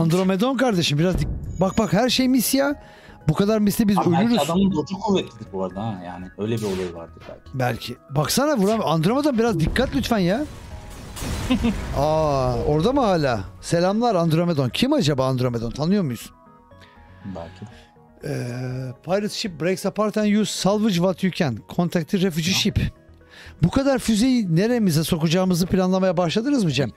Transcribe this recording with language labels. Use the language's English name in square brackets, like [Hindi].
[Turkish] Andromedon kardeşim biraz bak her şey mis ya. Bu kadar misli biz abi ölürüz. Adamın dozu kuvvetlidir bu arada ha. Yani öyle bir olay vardır belki. Belki. Baksana buram Andromedon biraz dikkat lütfen ya. Aa orada mı hala? Selamlar Andromedon. Kim acaba Andromedon? Tanıyor muyuz? Belki. [English] Pirate ship breaks apart and you salvage what you can. Contact the refugee ship. [Turkish] Bu kadar füzeyi neremize sokacağımızı planlamaya başladınız mı Cem?